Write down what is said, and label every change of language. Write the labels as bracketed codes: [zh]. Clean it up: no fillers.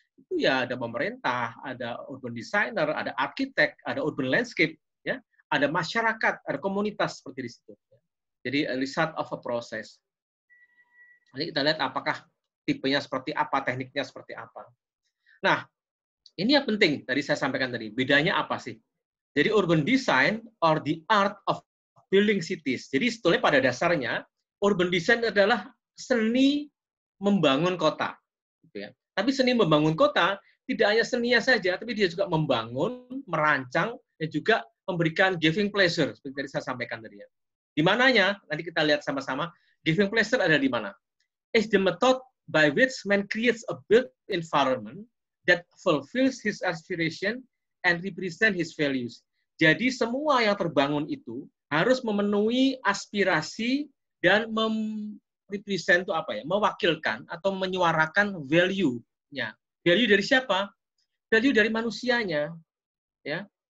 [id] Itu ya ada pemerintah, ada urban designer, ada arsitek, ada urban landscape, ya, ada masyarakat, ada komunitas seperti di situ. Jadi [en] a result of a process. [id] Nanti kita lihat apakah tipenya seperti apa, tekniknya seperti apa. Nah, ini yang penting tadi saya sampaikan tadi, bedanya apa sih? Jadi urban design [en] or the art of building cities. [id] Jadi sebetulnya pada dasarnya urban design adalah seni membangun kota, gitu ya. Tapi seni membangun kota tidak hanya seninya saja, tapi dia juga membangun, merancang, dan juga memberikan [en] giving pleasure, [id] seperti tadi saya sampaikan tadi. Di mananya, nanti kita lihat sama-sama, [en] giving pleasure [id] ada di mana? [en] It's the method by which man creates a built environment that fulfills his aspiration and represents his values. [id] Jadi semua yang terbangun itu harus memenuhi aspirasi dan represent itu apa ya, mewakilkan atau menyuarakan value-nya. Value dari siapa? Value dari manusianya. Ya.